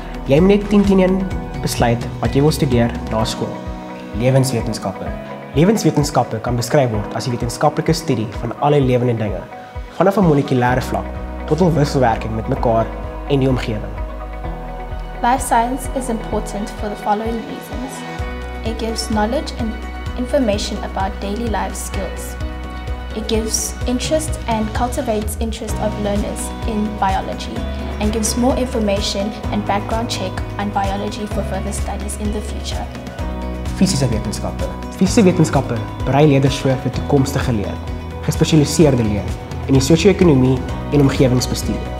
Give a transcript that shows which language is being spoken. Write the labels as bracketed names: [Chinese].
[Afrikaans] Jy moet net 10-10-1 besluit wat jy wil studeer na skool. Lewenswetenskappe. Lewenswetenskappe kan beskryf word as die wetenskaplike studie van alle lewende dinge, vanaf 'n molekulêre vlak tot 'n wisselwerking met mekaar en die omgewing. [English] Life science is important for the following reasons. It gives knowledge and information about daily life skills. It gives interest and cultivates interest of learners in biology and gives more information and background check on biology for further studies in the future. [Afrikaans] Fisiese wetenskappe. Fisiese wetenskappe berei leerders voor vir toekomstige leer, gespesialiseerde leer en die sosio-ekonomie en omgevingsbestuur.